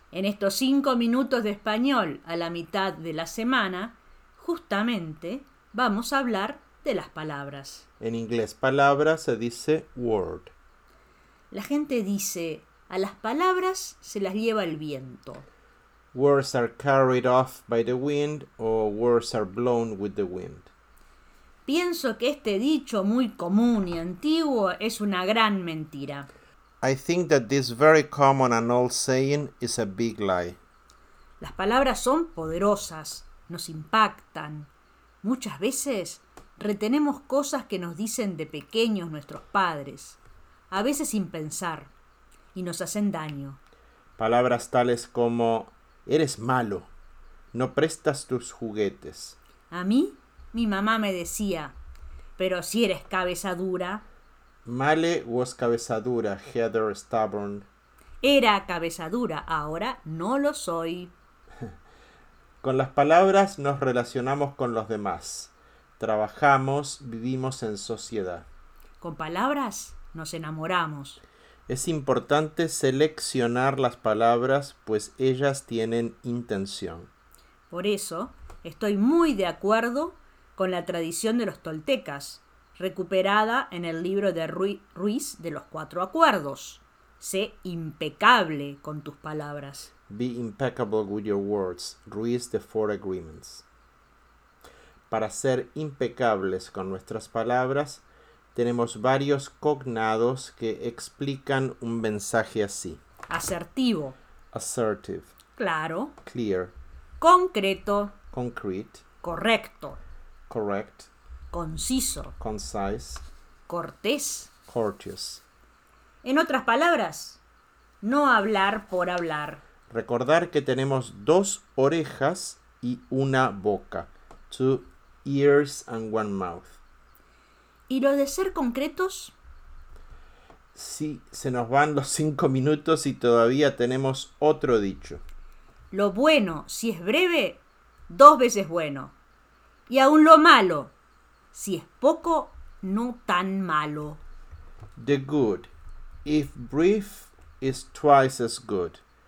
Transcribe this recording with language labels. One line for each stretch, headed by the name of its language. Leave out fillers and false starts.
Spanish: En estos 5 minutos de español a la mitad de la semana, justamente vamos a hablar de las palabras. En inglés, palabra se dice word. La gente dice, a las palabras se las lleva el viento.
English: Words are carried off by the wind, or words are blown with the wind.
Spanish: Pienso que este dicho muy común y antiguo es una gran mentira.
English: I think that this very common and old saying is a big lie.
Spanish: Las palabras son poderosas, nos impactan. Muchas veces retenemos cosas que nos dicen de pequeños nuestros padres, a veces sin pensar, y nos hacen daño. Palabras tales como, eres malo, no prestas tus juguetes. A mí, mi mamá me decía, pero si eres cabeza dura.
English: Male was cabeza dura, Heather stubborn.
Spanish: Era cabeza dura, ahora no lo soy. Con las palabras nos relacionamos con los demás. Trabajamos, vivimos en sociedad. Con palabras nos enamoramos. Es importante seleccionar las palabras, pues ellas tienen intención. Por eso, estoy muy de acuerdo con la tradición de los toltecas, recuperada en el libro de Ruiz de los 4 acuerdos. Sé impecable con tus palabras.
English: Be impeccable with your words, Ruiz de 4 agreements.
Spanish: Para ser impecables con nuestras palabras, tenemos varios cognados que explican un mensaje así. Asertivo.
English: Assertive.
Spanish: Claro.
English: Clear.
Spanish: Concreto.
English: Concrete.
Spanish: Correcto.
English: Correct.
Spanish: Conciso.
English: Concise.
Spanish: Cortés.
English: Courteous.
Spanish: En otras palabras, no hablar por hablar. Recordar que tenemos 2 orejas y 1 boca.
English: 2 ears and 1 mouth.
Spanish: ¿Y lo de ser concretos? Sí, se nos van los 5 minutos y todavía tenemos otro dicho. Lo bueno, si es breve, 2 veces bueno. Y aún lo malo, si es poco, no tan malo.
English: The good, if brief, is twice as good.